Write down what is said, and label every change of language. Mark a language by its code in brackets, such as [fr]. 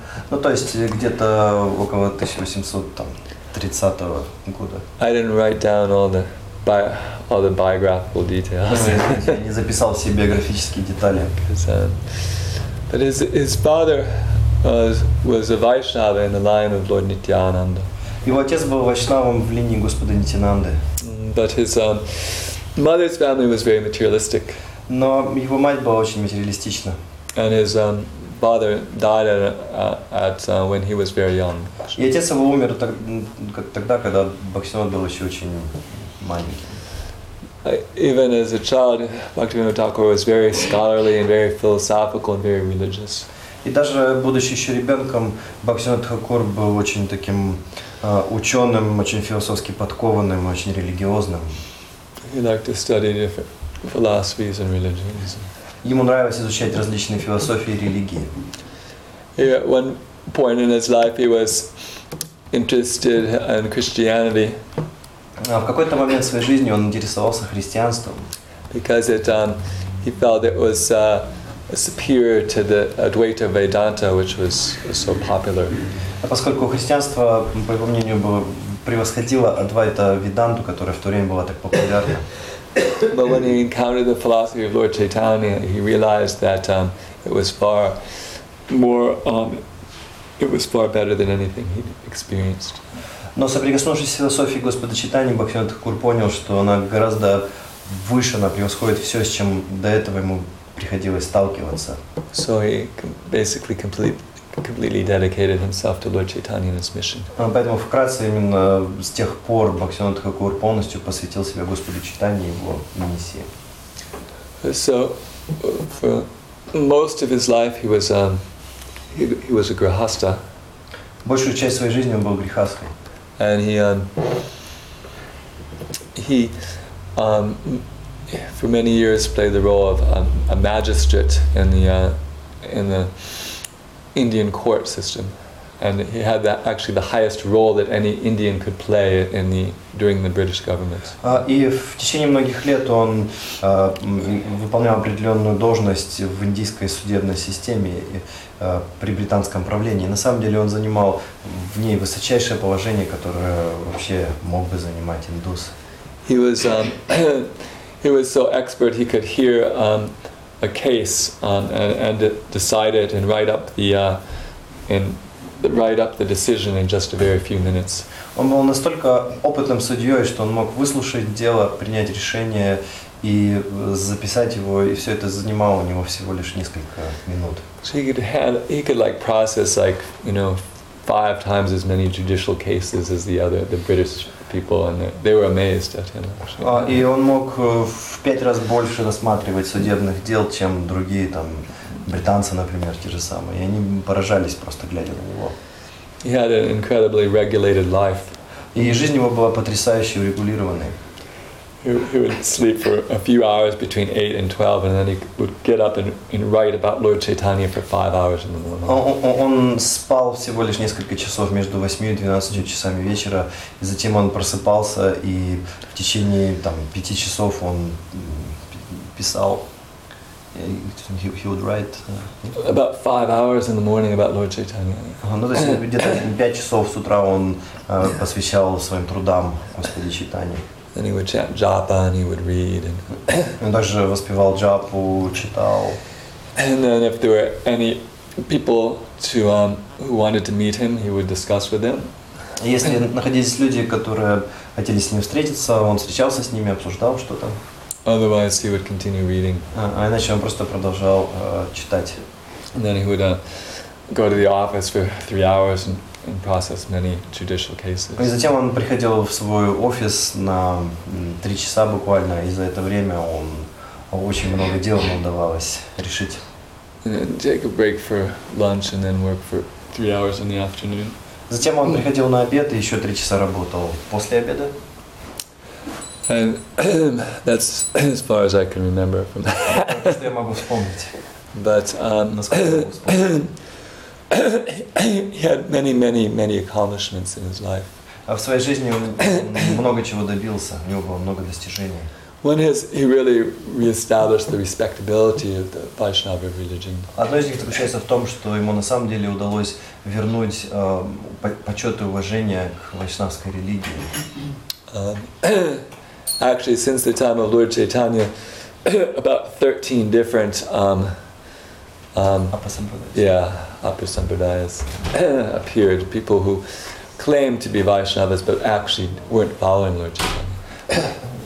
[ru] Ну, то есть где-то около 1830 года. [en] I didn't write down all the biographical details. [ru] Я не записал все биографические детали. [en] But his father was a Vaishnava in the line of Lord Nityananda. [ru] Его отец был вайшнавом в линии Господа Нитянанды. [en] But his mother's family was very materialistic. [ru] Но его мать была очень материалистична. [en] And his father died when he was very young. [ru] И отец его умер тогда, когда Бхактивинода был еще очень маленький. [en] Even as a child, Bhaktivinoda Thakur was very scholarly and very philosophical and very religious. [ru] И даже будучи еще ребенком, Бхактивинода Тхакур был очень таким ученым, очень философски подкованным, очень религиозным. [en] He liked to study different philosophies and religions. [ru] Ему нравилось изучать различные философии и религии. [en] At one point in his life, he was interested in Christianity. [ru] В какой-то момент своей жизни он интересовался христианством. [en] Because he felt it was superior to the Advaita Vedanta, which was so popular. [ru] Поскольку христианство, по его мнению, было превосходило Адвайта Веданту, которая в то время была так популярна. [en] But when he encountered the philosophy of Lord Chaitanya, he realized that it was far better than anything he'd experienced. [ru] Но соприкоснувшись с философией Господа Чайтаньи, Бхактивинода Тхакур понял, что она гораздо выше, она превосходит все, с чем до этого ему приходилось сталкиваться. [en] So he basically completely dedicated himself to Lord Chaitanya and his mission. [ru] Поэтому вкратце именно с тех пор Бхактивинода Тхакур полностью посвятил себя Господу Чайтанье и его миссии. [en] So for most of his life he was a grihastha. [ru] Большую часть своей жизни он был грихастхой. [en] And he for many years played the role of a magistrate in the Indian court system, and he had that actually the highest role that any Indian could play during the British government. [ru] И в течение многих лет он выполнял определенную должность в индийской судебной системе при британском правлении. На самом деле он занимал в ней высочайшее положение, которое вообще мог бы занимать индус. [en] He was so expert he could hear a case and decide it and write up the decision in just a very few minutes. [ru] Он был настолько опытным судьей, что он мог выслушать дело, принять решение и записать его, и все это занимало у него всего лишь несколько минут. [en] So he could like process like, you know, five times as many judicial cases as the British people, and they were amazed at him. [ru] И он мог в пять раз больше рассматривать судебных дел, чем другие там британцы, например, те же самые. И они поражались просто глядя на него. [en] He had an incredibly regulated life. [ru] И жизнь его была потрясающе урегулированной. [en] He would sleep for a few hours between 8 and 12, and then he would get up and write about Lord Chaitanya for 5 hours in the morning. [ru] Он спал всего лишь несколько часов между 8 и 12 часами вечера, и затем он просыпался, и в течение там 5 часов он писал. [en] He would write about 5 hours in the morning about Lord Chaitanya. [ru] Ну то есть где-то 5 часов с утра он посвящал своим трудам Господи Чайтанье. [en] Then he would chant japa and he would read. And [ru] он также воспевал джапу, читал. [en] And then if there were any people to who wanted to meet him, he would discuss with them. [ru] Если находились люди, которые хотели с ним встретиться, он встречался с ними, обсуждал что-то. [en] Otherwise, he would continue reading. [ru] А иначе он просто продолжал читать. [en] And then he would go to the office for 3 hours and process many judicial cases. [ru] И затем он приходил в свой офис на 3 часа буквально, и за это время он очень много дел ему удавалось решить. [en] And then take a break for lunch and then work for 3 hours in the afternoon. [ru] Затем он приходил на обед и еще 3 часа работал после обеда. [en] And that's as far as I can remember from that. [ru] Что я могу вспомнить? [en] But he had many, many, many accomplishments in his life. [ru] А в своей жизни он много чего добился. У него было много достижений. [en] One is he really reestablished the respectability of the Vaishnava religion. [ru] Одно из них заключается в том, что ему на самом деле удалось вернуть почет и уважение к вайшнавской религии. [en] Actually, since the time of Lord Chaitanya, about 13 different upper sampradayas appeared. People who claimed to be Vaishnavas but actually weren't following Lord Chaitanya.